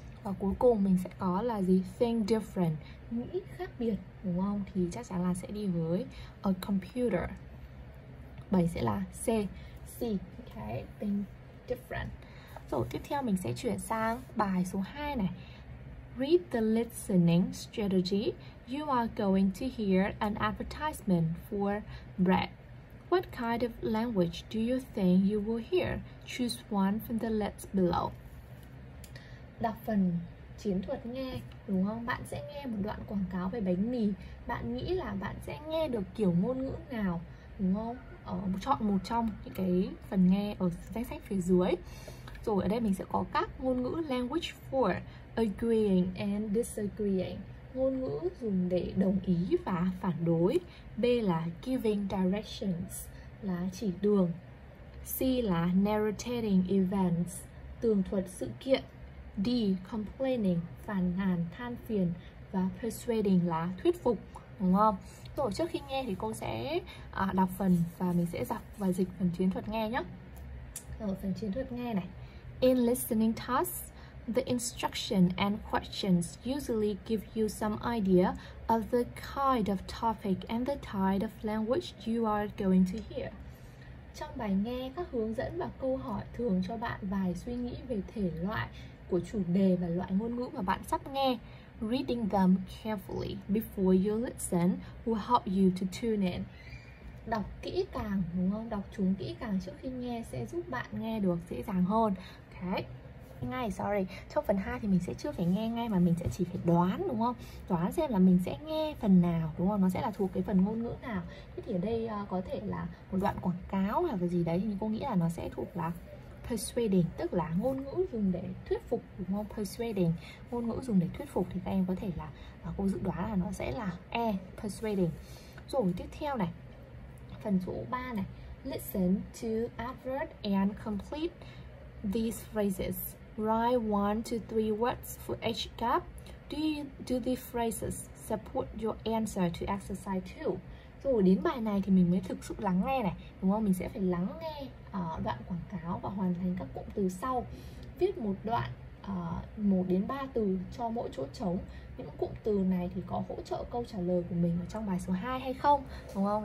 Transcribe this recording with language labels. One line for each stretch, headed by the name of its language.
Vietnamese: Và cuối cùng mình sẽ có là gì?
English: Think different,
Vietnamese: nghĩ khác biệt, đúng không? Thì chắc chắn là sẽ đi với
English: a computer.
Vietnamese: 7 sẽ là C. C, okay.
English: Think different.
Vietnamese: Rồi tiếp theo mình sẽ chuyển sang bài số 2 này.
English: Read the listening strategy. You are going to hear an advertisement for bread. What kind of language do you think you will hear? Choose one from the list below.
Vietnamese: Đọc phần chiến thuật nghe, đúng không? Bạn sẽ nghe một đoạn quảng cáo về bánh mì. Bạn nghĩ là bạn sẽ nghe được kiểu ngôn ngữ nào, đúng không? Chọn một trong những cái phần nghe ở danh sách phía dưới. Rồi ở đây mình sẽ có các ngôn ngữ
English: language for agreeing and disagreeing.
Vietnamese: Ngôn ngữ dùng để đồng ý và phản đối. B là
English: giving directions,
Vietnamese: là chỉ đường. C là
English: narrating events,
Vietnamese: tường thuật sự kiện. D complaining, phàn nàn, than phiền. Và persuading là thuyết phục, đúng không? Rồi trước khi nghe thì cô sẽ đọc phần và mình sẽ đọc và dịch phần chiến thuật nghe nhé. Rồi phần chiến thuật nghe này.
English: In listening tasks, the instruction and questions usually give you some idea of the kind of topic and the kind of language you are going to hear.
Vietnamese: Trong bài nghe, các hướng dẫn và câu hỏi thường cho bạn vài suy nghĩ về thể loại của chủ đề và loại ngôn ngữ mà bạn sắp nghe.
English: Reading them carefully before you listen will help you to tune in.
Vietnamese: Đọc kỹ càng, đúng không? Đọc chúng kỹ càng trước khi nghe sẽ giúp bạn nghe được dễ dàng hơn. Okay. Ngay, sorry. Trong phần 2 thì mình sẽ chưa phải nghe ngay mà mình sẽ chỉ phải đoán, đúng không? Đoán xem là mình sẽ nghe phần nào, đúng không? Nó sẽ là thuộc cái phần ngôn ngữ nào. Thế thì ở đây có thể là một đoạn quảng cáo hoặc là gì đấy. Thì cô nghĩ là nó sẽ thuộc là persuading, tức là ngôn ngữ dùng để thuyết phục, đúng không? Persuading, ngôn ngữ dùng để thuyết phục thì các em có thể là cô dự đoán là nó sẽ là E, persuading. Rồi tiếp theo này, phần số 3 này.
English: Listen to advert and complete these phrases. Write 1 to 3 words for each gap. Do these phrases support your answer to exercise 2?
Vietnamese: Rồi đến bài này thì mình mới thực sự lắng nghe này, đúng không? Mình sẽ phải lắng nghe đoạn quảng cáo và hoàn thành các cụm từ sau. Viết một đoạn 1 đến 3 từ cho mỗi chỗ trống. Những cụm từ này thì có hỗ trợ câu trả lời của mình ở trong bài số 2 hay không, đúng không?